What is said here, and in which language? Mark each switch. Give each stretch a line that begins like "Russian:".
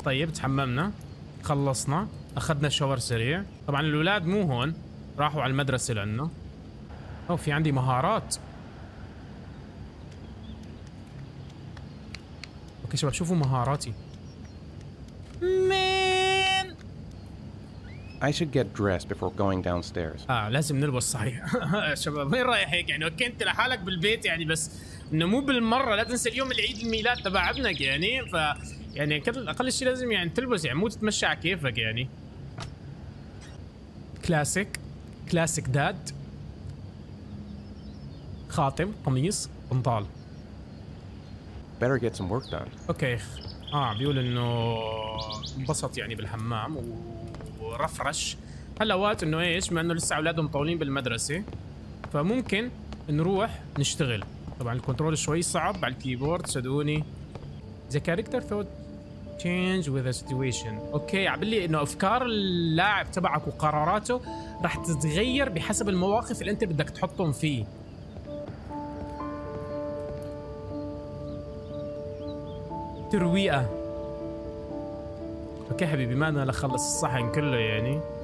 Arabic: طيب تحممنا، خلصنا، أخذنا شاور سريع. طبعا الأولاد مو هون، راحوا على المدرسة لأنه أو في عندي مهارات. أوكي شباب شوفوا مهاراتي. مين؟
English: I should get dressed before going downstairs.
Arabic: آه لازم نلبس صحيح. شباب وين رايح هيك يعني؟ أوكي أنت لحالك بالبيت يعني، بس انه مو بالمره، لا تنسى اليوم العيد الميلاد تبع ابنك يعني، ف يعني اقل شيء لازم يعني تلبس يعني، مو تتمشى على كيفك يعني.
English: Classic classic داد.
Arabic: خاتم، قميص، بنطال.
English: Better get some work done.
Arabic: اوكي. بيقول انه انبسط يعني بالحمام ورفرش. هلا وقت انه ايش؟ مع انه لسه اولادهم طولين بالمدرسة. فممكن نروح نشتغل. طبعا الكنترول شوي صعب على الكيبورد، صدقوني.
English: The character thought change with the situation.
Arabic: اوكي، عم بيقول لي انه افكار اللاعب تبعك وقراراته راح تتغير بحسب المواقف اللي انت بدك تحطهم فيه. ترويقة. اوكي حبيبي، ما انا لخلص الصحن كله يعني.